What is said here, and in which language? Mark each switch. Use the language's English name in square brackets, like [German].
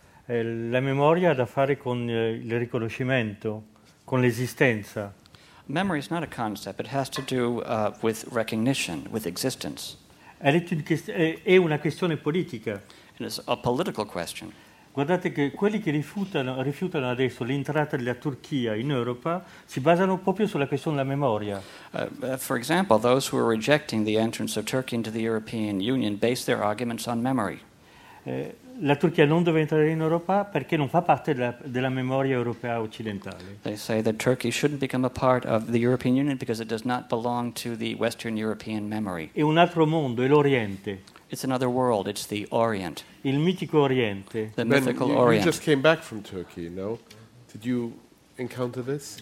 [Italian] La memoria ha da fare con il riconoscimento, con l'esistenza. [English] Memory is not a concept. It has to do with recognition, with existence. [Italian] È una questione politica. [English] And it's a political question. [Italian] Guardate che quelli che rifiutano adesso l'entrata della Turchia in Europa si basano proprio sulla questione della memoria. [English] For example, those who are rejecting the entrance of Turkey into the European Union base their arguments on memory. [Italian] La Turchia non deve entrare in Europa perché non fa parte della memoria europea occidentale. [English] They say that Turkey shouldn't become a part of the European Union because it does not belong to the Western European memory. [Italian] È un altro mondo, è l'Oriente. [English] It's another world, it's the Orient. [Italian] Il mitico Oriente. [English] The mythical Orient. You just came back from Turkey, no? Did you encounter this?